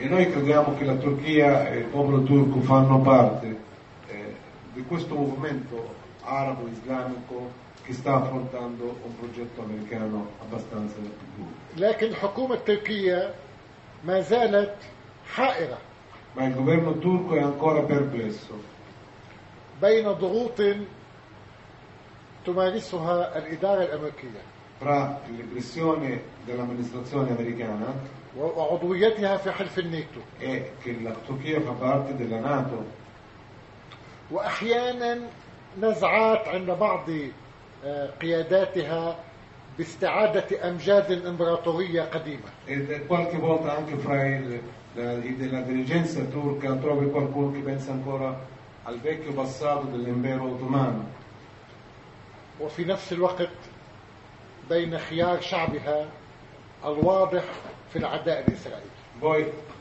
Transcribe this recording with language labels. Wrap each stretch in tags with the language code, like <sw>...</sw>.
<it>E noi crediamo che la Turchia e il popolo turco fanno parte di questo movimento arabo-islamico che sta affrontando un progetto americano abbastanza duro.</it> <ar>لكن الحكومة التركية ما زالت حائرة.</ar> <it>Ma il governo turco è ancora perplesso.</it> <ar>بين ضغوط تمارسها الإدارة الأمريكية.</ar> <it>Fra le pressioni dell'amministrazione americana.</it> <ar>وعضويتها في حلف الناتو.</ar> <it>E che la Turchia fa parte della NATO.</it> <ar>وأحيانا نزعات عند بعض قياداتها باستعادة أمجاد إمبراطورية قديمة.</ar> <it>Qualche volta anche fra la dirigenza turca trovi qualcuno che pensa ancora al vecchio passato dell'impero ottomano.</it> <ar>وفي نفس الوقت بين خيار شعبها الواضح في العداء الإسرائيلي.</ar>